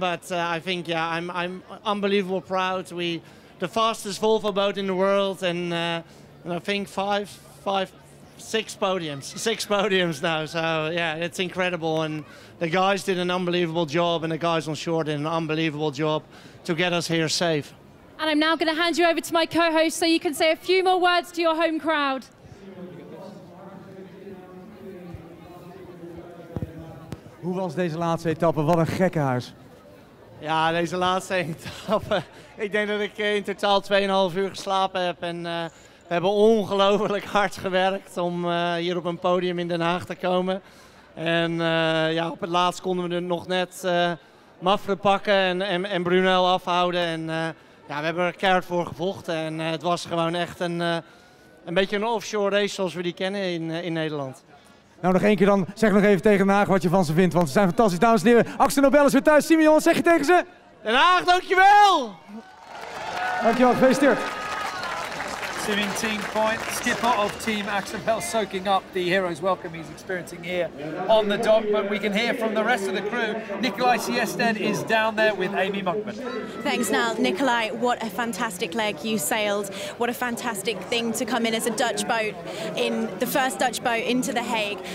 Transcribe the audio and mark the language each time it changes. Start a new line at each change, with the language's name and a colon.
English: But I think, yeah, I'm unbelievable proud. We the fastest Volvo boat in the world, and I think six podiums now. So yeah, it's incredible. And the guys did an unbelievable job, and the guys on shore did an unbelievable job to get us here safe. And I'm now going to hand you over to my co-host so you can say a few more words to your home crowd.
Dutch: Hoe was deze laatste etappe? Wat een gekkenhuis. Ja, deze laatste etappe. Ik denk dat ik in totaal 2,5 uur geslapen heb. En we hebben ongelooflijk hard gewerkt om hier op een podium in Den Haag te komen. En op het laatst konden we er nog net Maffre pakken en Brunel afhouden. En we hebben er keihard voor gevochten. En het was gewoon echt een beetje een offshore race zoals we die kennen in Nederland. Nou, nog één keer dan. Zeg nog even tegen Den Haag wat je van ze vindt. Want ze zijn fantastisch, dames en heren. Axonobel is weer thuis. Simeon, wat zeg je tegen ze? Den Haag, dankjewel! Dankjewel, gefeliciteerd.
English: 17 points. Skipper of Team Axtepel soaking up the hero's welcome he's experiencing here on the dock. But we can hear from the rest of the crew. Nicolai Siesten is down there with Amy Monkman. Thanks, Niall. Nicolai, what a fantastic leg you sailed. What a fantastic thing to come in as a Dutch boat, in the first Dutch boat into The Hague.